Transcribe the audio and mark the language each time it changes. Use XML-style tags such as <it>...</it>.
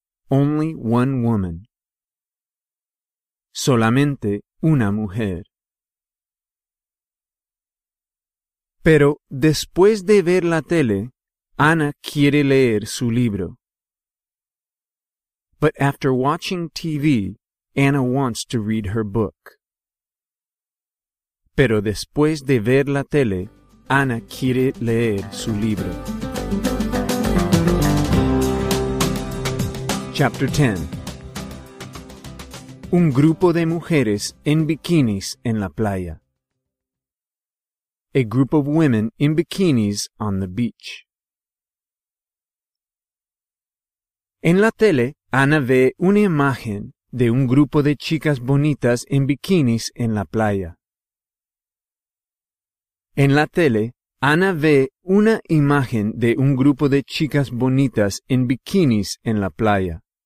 <en>Only one woman.</en> <es>Solamente una mujer. Pero después de ver la tele, Ana quiere leer su libro.</es> <en>But after watching TV, Anna wants to read her book.</en> <es>Pero después de ver la tele, Ana quiere leer su libro.</es> <en>Chapter 10.</en> <es>Un grupo de mujeres en bikinis en la playa.</es> <en>A group of women in bikinis on the beach.</en> <es>En la tele, Ana ve una imagen de un grupo de chicas bonitas en bikinis en la playa. En la tele, Ana ve una imagen de un grupo de chicas bonitas en bikinis en la playa.</es>